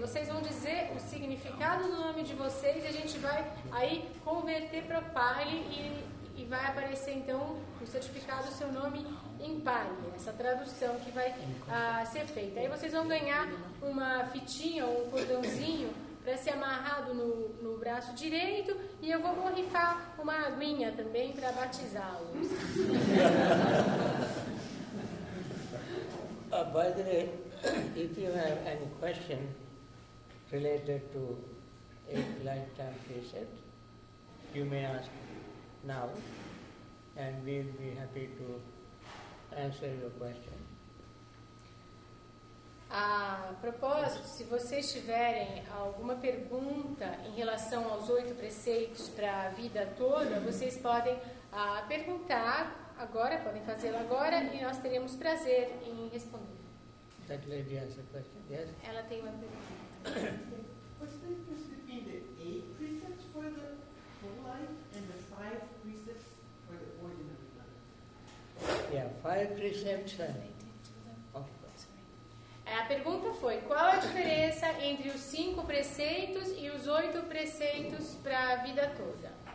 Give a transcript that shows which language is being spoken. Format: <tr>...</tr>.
<pt>Vocês vão dizer o significado do nome de vocês e a gente vai aí converter para Pali e vai aparecer então o certificado, o seu nome em Pali, essa tradução que vai ser feita. Aí vocês vão ganhar uma fitinha ou um cordãozinho para ser amarrado no braço direito e eu vou borrifar uma aguinha também para batizá-los.</pt> <en>By the way, if you have any question related to a lifetime precept, you may ask now and we'll be happy to answer your question.</en> <pt>A propósito, se vocês tiverem alguma pergunta em relação aos 8 preceitos para a vida toda, vocês podem perguntar agora, podem fazê-lo agora, e nós teremos prazer em responder.</pt> <en>That lady has a question. Yes?</en> <pt>Ela tem uma pergunta.</pt> <en>What's the difference between the 8 precepts for the whole life and the 5 precepts for the ordinary life? Yeah, 5 precepts.</en> <pt>A pergunta foi, qual a diferença entre os 5 preceitos e os 8 preceitos para a vida toda?</pt>